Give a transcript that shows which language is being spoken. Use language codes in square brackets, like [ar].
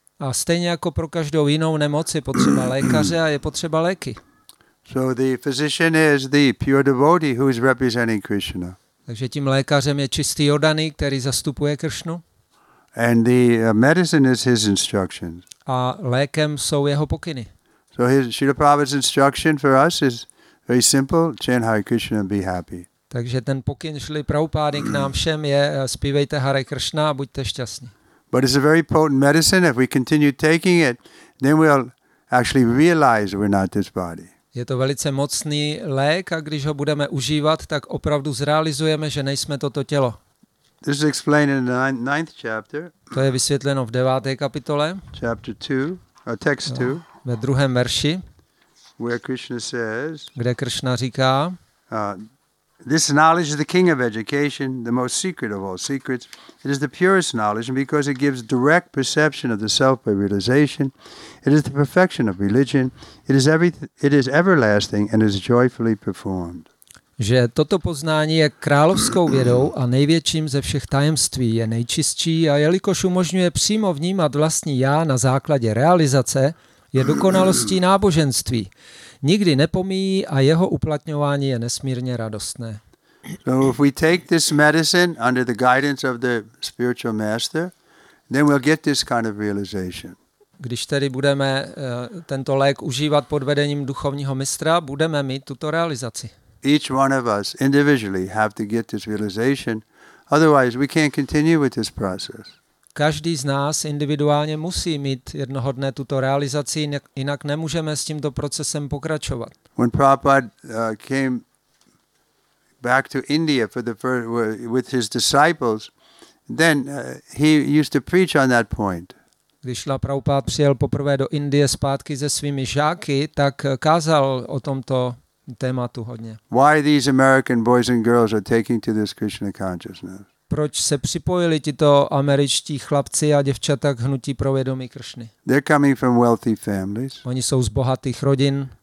[cs] A stejně jako pro každou jinou nemoc je potřeba lékaře a je potřeba léky. [en] So the physician is the pure devotee who is representing Krishna. [cs] Takže tím lékařem je čistý oddaný, který zastupuje Kršnu. [en] And the medicine is his instructions. [cs] A lékem jsou jeho pokyny. [en] So his Srila Prabhupada's instruction for us is very simple, chant Hare Krishna and be happy. [cs] Takže ten pokyn Srila Prabhupády k nám všem je zpívejte Hare Krishna a buďte šťastní. [en] But it's a very potent medicine. If we continue taking it, then we'll actually realize we're not this body. [cs] Je to velice mocný lék a když ho budeme užívat, tak opravdu zrealizujeme, že nejsme toto tělo. [en] This is explained in the ninth chapter. [cs] To je vysvětleno v 9. kapitole. [en] Chapter 2, text 2. [cs] Ve druhém verši. [en] Where Krishna says. [cs] Kde Krishna říká. [en] This knowledge is the king of education, the most secret of all secrets. It is the purest knowledge and because it gives direct perception of the self by realization. It is the perfection of religion. It is everlasting and is joyfully performed. [cs] Že toto poznání je královskou vědou a největším ze všech tajemství, je nejčistší a jelikož umožňuje přímo vnímat vlastní já na základě realizace, je dokonalostí náboženství. Nikdy nepomíjí a jeho uplatňování je nesmírně radostné. [en] So if we take this medicine under the guidance of the spiritual master, then we'll get this kind of realization. [cs] Když tedy budeme tento lék užívat pod vedením duchovního mistra, budeme mít tuto realizaci. [en] each one of us individually have to get this realization, otherwise we can't continue with this process. [cs] Každý z nás individuálně musí mít jednoho dne tuto realizaci, jinak nemůžeme s tímto procesem pokračovat. [en] When Prabhupada came back to India for the first, with his disciples, then he used to preach on that point. [cs] Když Šrila Prabhupáda přijel poprvé do Indie zpátky se svými žáky, tak kázal o tomto tématu hodně. [en] Why these American boys and girls are taking to this Krishna consciousness? [cs] Proč se připojili tito američtí chlapci a děvčata k hnutí pro vědomí Kršny? [en] They're coming from wealthy families. [cs] Oni jsou z bohatých rodin.